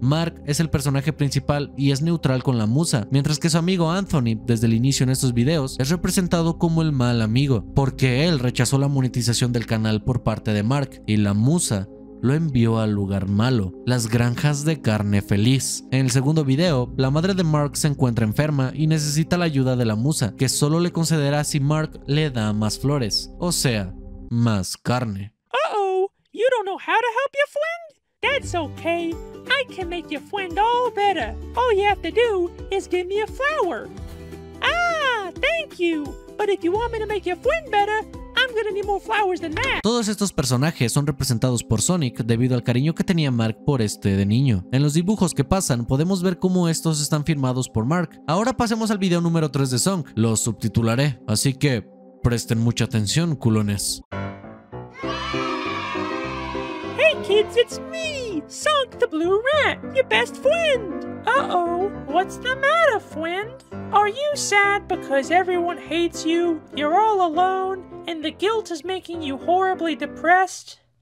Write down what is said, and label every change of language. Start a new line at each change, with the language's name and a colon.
Spanish: Mark es el personaje principal y es neutral con la musa, mientras que su amigo Anthony, desde el inicio en estos videos, es representado como el mal amigo, porque él rechazó la monetización del canal por parte de Mark y la musa lo envió al lugar malo, las granjas de carne feliz. En el segundo video, la madre de Mark se encuentra enferma y necesita la ayuda de la musa, que solo le concederá si Mark le da más flores, o sea, más carne.
English: Uh-oh, you don't know how to help your friend? That's okay, I can make your friend all better. All you have to do is give me a flower. Ah, thank you, but if you want me to make your friend better, I'm gonna need more flowers than that.
Spanish: Todos estos personajes son representados por Sonic debido al cariño que tenía Mark por este de niño. En los dibujos que pasan, podemos ver cómo estos están firmados por Mark. Ahora pasemos al video número 3 de Song. Lo subtitularé, así que presten mucha atención, culones.
English: Hey kids, it's me, Song the Blue Rat, your best friend. Uh-oh, what's the matter, friend? Are you sad because everyone hates you? You're all alone? And the guilt is making you horribly depressed?